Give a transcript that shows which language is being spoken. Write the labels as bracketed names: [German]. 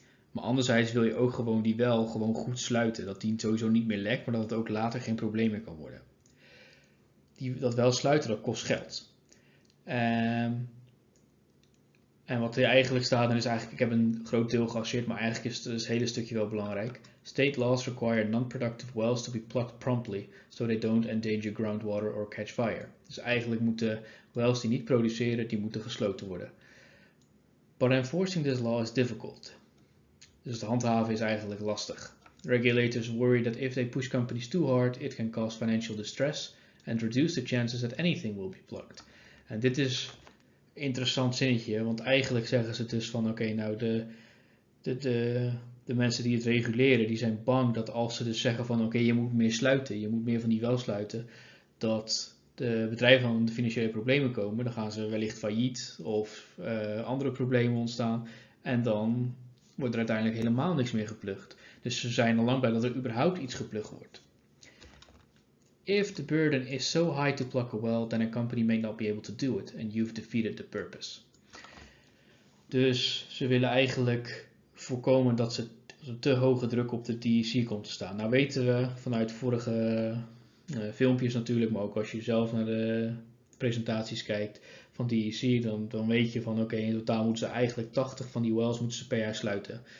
[Dutch] Maar anderzijds wil je ook gewoon die wel gewoon goed sluiten. Dat die sowieso niet meer lekt, maar dat het ook later geen probleem meer kan worden. Dat wel sluiten, dat kost geld. En wat er eigenlijk staat, dan is eigenlijk, ik heb een groot deel geasseerd, maar eigenlijk is het hele stukje wel belangrijk. [English] State laws require non-productive wells to be plugged promptly, so they don't endanger groundwater or catch fire. [Dutch] Dus eigenlijk moeten wells die niet produceren, die moeten gesloten worden. [English] But enforcing this law is difficult. [Dutch] Dus het handhaven is eigenlijk lastig. [English] Regulators worry that if they push companies too hard, it can cause financial distress and reduce the chances that anything will be plugged. [Dutch] En dit is een interessant zinnetje, want eigenlijk zeggen ze dus van oké, nou de mensen die het reguleren, die zijn bang dat als ze dus zeggen van oké, je moet meer sluiten, je moet meer van die wel sluiten, dat de bedrijven aan de financiële problemen komen, dan gaan ze wellicht failliet of andere problemen ontstaan en dan wordt er uiteindelijk helemaal niks meer geplucht. Dus ze zijn al lang blij dat er überhaupt iets geplucht wordt. [English] If the burden is so high to pluck a well, then a company may not be able to do it, and you've defeated the purpose. [Dutch] Dus ze willen eigenlijk voorkomen dat ze te hoge druk op de DEC komt te staan. Nou weten we vanuit vorige filmpjes natuurlijk, maar ook als je zelf naar de presentaties kijkt van DEC, dan weet je van oké, in totaal moeten ze eigenlijk 80 van die wells moeten ze per jaar sluiten.